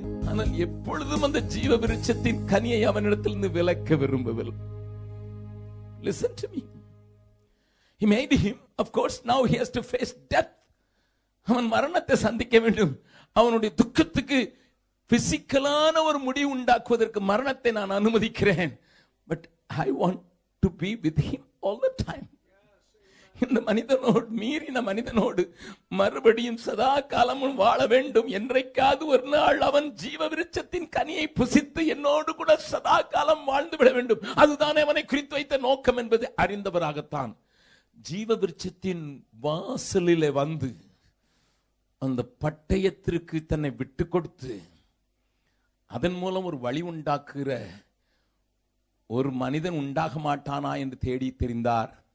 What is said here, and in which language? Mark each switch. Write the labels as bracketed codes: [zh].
[ta] ஆனால் எப்பொழுதும் அந்த ஜீவ விருட்சத்தின் கனியை அவனிடத்தில் இருந்து விலக்க விரும்பவில்லை. [en] Listen to me. He made him. Of course, now he has to face death. [ta] அவன் மரணத்தை சந்திக்க வேண்டும். அவனுடைய துக்கத்துக்கு பிசிக்கலான ஒரு முடிவு உண்டாக்குவதற்கு மரணத்தை நான் அனுமதிக்கிறேன். [en] But I want to be with him all the time. [ta] இந்த மனிதனோடு மீறின மனிதனோடு மறுபடியும் சதா காலமும் வாழ வேண்டும். என்றைக்காவது ஒரு நாள் அவன் ஜீவ விருட்சத்தின் கனியை புசித்து என்னோடு கூட சதா காலம் வாழ்ந்து விட வேண்டும். அதுதான் அவனை குறித்து வைத்த நோக்கம் என்பதை அறிந்தவராகத்தான் ஜீவ விருட்சத்தின் வாசலிலே வந்து அந்த பட்டயத்திற்கு தன்னை விட்டு கொடுத்து அதன் மூலம் ஒரு வழி உண்டாக்குகிற ஒரு மனிதன் உண்டாக மாட்டானா என்று தேடி தெரிந்தார்.